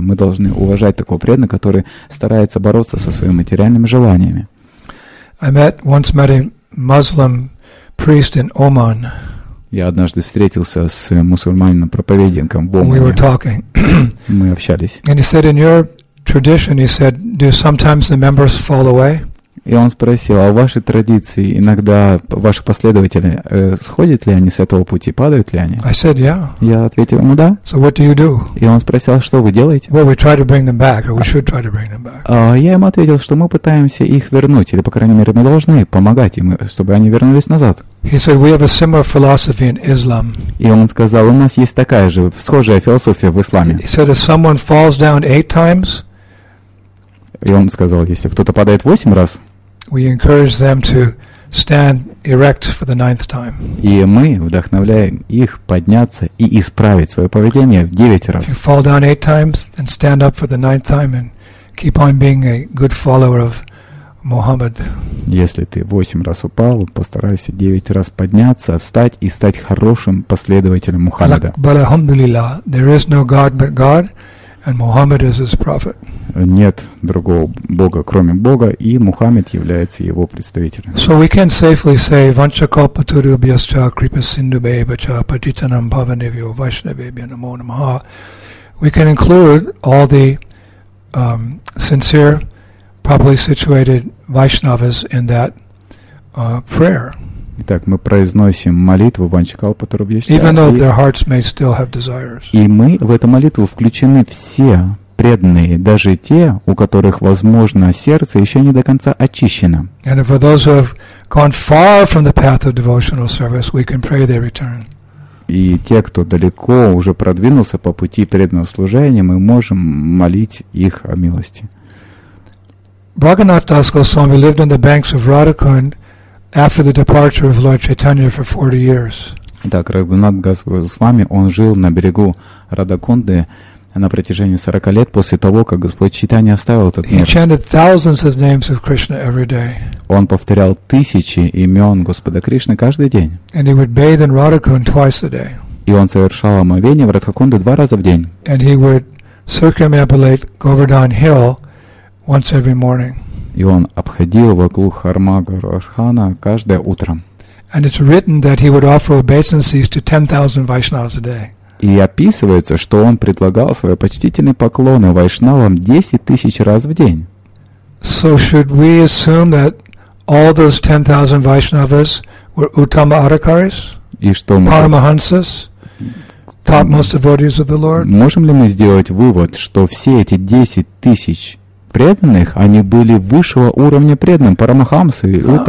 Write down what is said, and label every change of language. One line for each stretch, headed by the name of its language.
Russian: Мы должны уважать такого преданного, который старается бороться со своими материальными желаниями.
English: I once met a Muslim priest in Oman.
Russian: Я однажды встретился с мусульманином-проповедником в Омане.
English: We were talking.
Russian: Мы общались.
English: And he said, in your tradition, he said, do sometimes the members fall away?
Russian: И он спросил, а в вашей традиции иногда ваши последователи сходят ли они с этого пути, падают ли они?
English: I said, yeah.
Russian: Я ответил ему, да.
English: So what do you do?
Russian: И он спросил, что вы делаете?
English: Well, we try to bring them back, or we should try to bring them back.
Russian: Я ему ответил, что мы пытаемся их вернуть, или, по крайней мере, мы должны помогать им, чтобы они вернулись назад.
English: He said, we have a similar philosophy in Islam.
Russian: И он сказал, у нас есть такая же, схожая философия в исламе.
English: He said, if someone falls down 8 times,
Russian: и он сказал, если кто-то падает 8 раз,
English: we encourage them to stand erect for the 9th time.
Russian: И мы вдохновляем их подняться и исправить свое поведение в 9 раз.
English: If you fall down 8 times, then stand up for the 9th time and keep on being a good follower of Muhammad.
Russian: Если ты 8 раз упал, постарайся 9 раз подняться, встать и стать хорошим последователем Мухаммеда.
English: But alhamdulillah, there is no God but God. And Muhammad is his prophet.
Russian: Нет другого Бога, кроме Бога, и Мухаммед является его представителем.
English: So we can safely say
Sanskrit: Vancha Kalpaturu Bhyascha Kripa Sindhu Bhavacha Paditanam Bhavanivyo Vaishnavibhya Namo Namaha.
English: We can include all the sincere, properly situated Vaishnavas in that prayer.
Russian: Итак, мы произносим молитву Ванчакалпатарубьяща.
English: Even though their hearts may still have desires.
Russian: И мы в эту молитву включены все преданные, даже те, у которых, возможно, сердце еще не до конца очищено.
English: And for those who have gone far from the path of devotional service, we can pray their return.
Russian: И те, кто далеко уже продвинулся по пути преданного служения, мы можем молить их о милости.
English: Bhagavanath Das Goswami lived on the banks of Radhakund after the departure of Lord Chaitanya for 40 years.
Russian: Итак, Рагхунат Дас Госвами, он жил на берегу Радхакунды на протяжении 40 лет после того, как Господь Чайтанья оставил этот мир.
English: He chanted thousands of names of Krishna every day.
Russian: Он повторял тысячи имен Господа Кришны каждый день.
English: And he would bathe in Radhakund twice a day.
Russian: И он совершал омовение в Радхакунду 2 раза в день.
English: And he would circumambulate Govardhan Hill once every morning.
Russian: И он обходил вокруг храма Гарвардхана каждое утро.
English: And it's written that he would offer obeisances to 10,000 Vaishnavas a day.
Russian: И описывается, что он предлагал свои почтительные поклоны вайшнавам 10,000 раз в день.
English: So should we assume that all those 10,000 Vaishnavas were Uttama Adhikaris?
Russian: И что мы?
English: Paramahansas? Topmost devotees of the Lord?
Russian: Можем ли мы сделать вывод, что все эти 10,000 преданных, они были высшего уровня преданным, Парамахамсы и